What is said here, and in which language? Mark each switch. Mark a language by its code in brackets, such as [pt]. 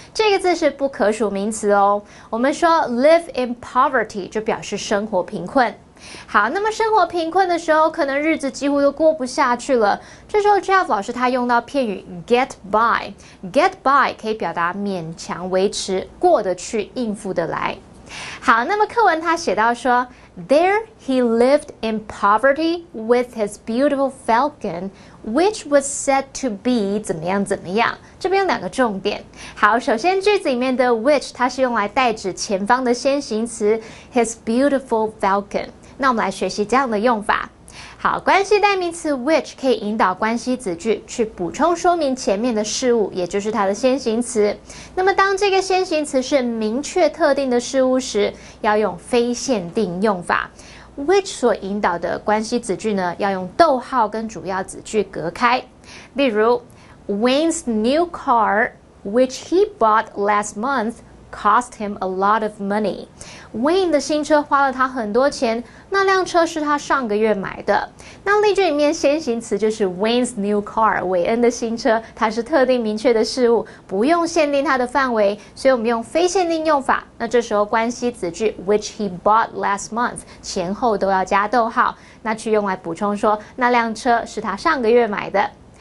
[zh] 这个字是不可数名词哦。我们说 [en] live in poverty [zh] 就表示生活贫困。好，那么生活贫困的时候，可能日子几乎都过不下去了。这时候 Jeff 老师他用到片语 get by， get by 可以表达勉强维持、过得去、应付得来。好，那么课文他写到说 [en] There he lived in poverty with his beautiful falcon which was said to be [zh] 怎么样怎么样。这边有两个重点。好，首先句子里面的 which 它是用来代指前方的先行词 [en] his beautiful falcon。 [zh] 那我们来学习这样的用法。好，关系代名词 which 可以引导关系子句去补充说明前面的事物，也就是它的先行词。那么当这个先行词是明确特定的事物时，要用非限定用法。 which 所引导的关系子句呢，要用逗号跟主要子句隔开。 [en] 例如 ，Wayne's new car, which he bought last month, cost him a lot of money. [zh] Wayne 的新车花了他很多钱，那辆车是他上个月买的。那例句里面先行词就是 [en] Wayne's new car， [zh] 韦恩的新车，它是特定明确的事物，不用限定它的范围，所以我们用非限定用法。那这时候关系子句 [en] which he bought last month， [zh] 前后都要加逗号，那去用来补充说那辆车是他上个月买的。